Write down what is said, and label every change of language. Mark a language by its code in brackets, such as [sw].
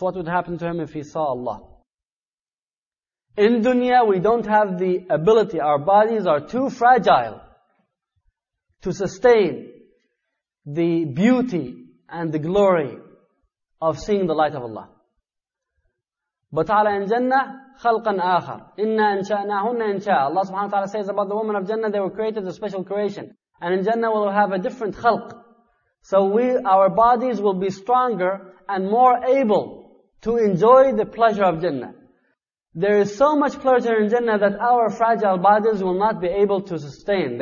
[en] What would happen to him if he saw Allah? In dunya, we don't have the ability, our bodies are too fragile to sustain the beauty and the glory of seeing the light of Allah. But ta'ala in Jannah, [ar] خَلْقًا آخر إِنَّا أَنْشَأْنَاهُنَّ إِنْشَاءَ. [en] Allah subhanahu wa ta'ala says about the women of Jannah, they were created as a special creation. And in Jannah we'll have a different khalq. So our bodies will be stronger and more able to enjoy the pleasure of Jannah. There is so much pleasure in Jannah that our fragile bodies will not be able to sustain.